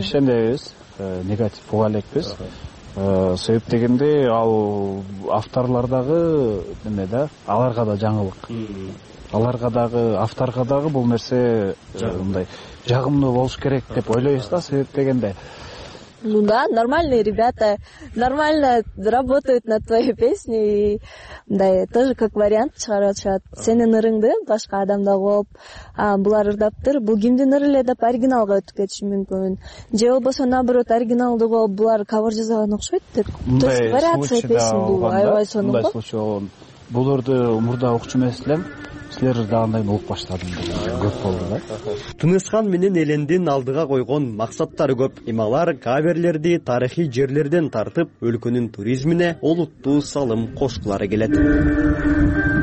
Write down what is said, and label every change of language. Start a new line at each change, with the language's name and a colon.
Kyrgyz: Ишенебиз. Негатив уга элекпиз. Себеп дегенде ал авторлордагы эме да, аларга да жаңылык. Аларга дагы, авторго дагы бул нерсе мындай жагымдуу болуш керек деп ойлойбуз да, себеп дегенде.
Russian: Ну да, нормальные ребята, нормально работают над твоей песней. Да, тоже как вариант
Kyrgyz: чыгарып атышат. Сенин ырыңды башка адамда кооп, булар ырдаптыр, бул кимдин ыры эле деп оригиналга өтүп кетиши мүмкүн. Же болбосо наоборот, оригиналды кооп, булар кавер жасаган окшойт деп.
Russian: То есть вариация песен
Kyrgyz: бул, аябай сонун. Мындай случай болгон. Бул ырды мурда укчу эмес элем. Силер ырдагандан кийин угуп баштадым деген көп болду да. Тынысхан менен Элендин алдыга койгон максаттары көп. Эми алар каверлерди тарыхый жерлерден тартып, өлкөнүн туризмине олуттуу салым кошкулары келет.